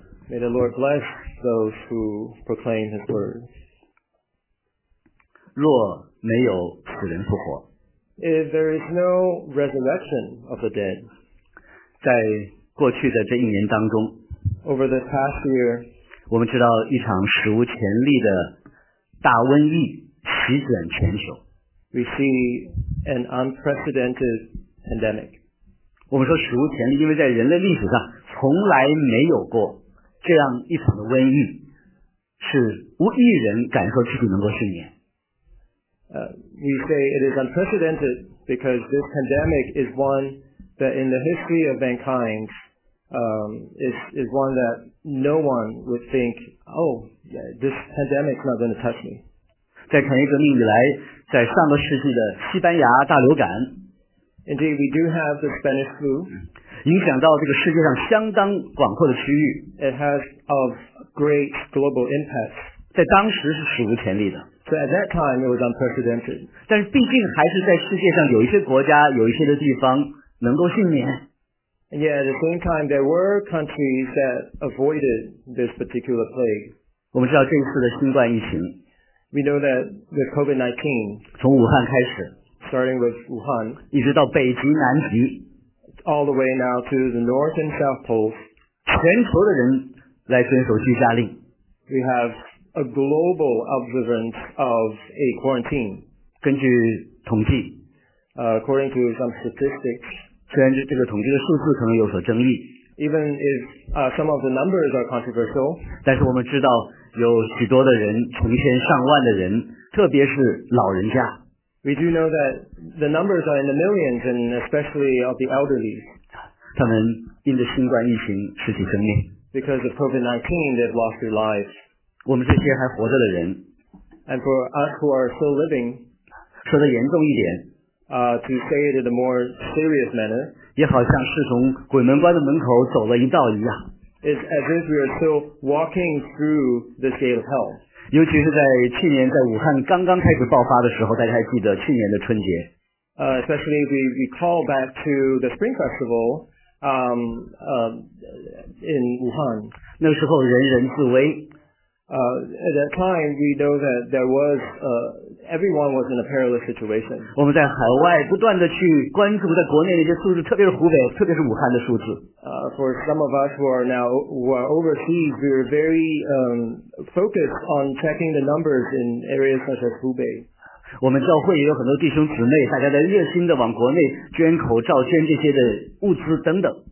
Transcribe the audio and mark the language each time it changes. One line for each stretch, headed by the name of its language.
English: May the Lord bless those who proclaim his words.
Chinese: 若没有死人复活，
English: If there is no resurrection of the dead,
Chinese: 在过去的这一年当中
English: over the past year,
Chinese: 我们知道一场史无前例的大瘟疫席卷全球
English: we see an unprecedented pandemic.
Chinese: 我们说史无前例，因为在人类历史上从来没有过这样一场的瘟疫，是无一人敢说自己能够幸免。
English: We say it is unprecedented because this pandemic is one that in the history of mankind is one that no one would think, oh, yeah, this pandemic is not going to touch me.
Chinese: 在产业革命以来，在上个世纪的西班牙大流感
English: Indeed, we do have the Spanish flu.
Chinese: 影响到这个世界上相当广阔的区域
English: It has of great global impact.
Chinese: 在当时是史无前例的
English: So at that time, it was unprecedented.
Chinese: 但是毕竟还是在世界上有一些国家有一些的地方能够幸免。
English: And yet at the same time, there were countries that avoided this particular plague.
Chinese: 我们知道这一次的新冠疫情
English: We know that the COVID-19
Chinese: 从武汉开始
English: starting with Wuhan
Chinese: 一直到北极南极
English: all the way now to the north and south poles
Chinese: 全球的人来遵守居家令
English: We have a global observance of a quarantine
Chinese: 根据统计
English: according to some statistics
Chinese: 虽然这个统计的数字可能有所争议
English: even if some of the numbers are controversial
Chinese: 但是我们知道有许多的人成千上万的人特别是老人家
English: We do know that the numbers are in the millions and especially of the elderly
Chinese: 他们因着新冠疫情失去生命
English: Because of COVID-19 they've lost their lives
Chinese: 我们这些还活着的人
English: And for us who are still living
Chinese: 说得严重一点
English: To say it in a more serious manner
Chinese: 也好像是从鬼门关的门口走了一道一样
English: It's as if we are still walking through this gate of hell.
Chinese: 尤其是在去年在武汉刚刚开始爆发的时候大家还记得去年的春节、
English: especially if we recall back to the Spring Festival in Wuhan.
Chinese: 那时候人人自危、
English: At that time, we know that there was,、everyone was in a perilous situation.
Chinese: 我们在海外不断地去关注在国内那些数字特别是湖北特别是武汉的数字。
English: For some of us who are overseas, we are very focused on checking the numbers in areas such as Hubei.
Chinese: 我们教会也有很多弟兄姊妹大家在热心地往国内捐口罩捐这些的物资等等。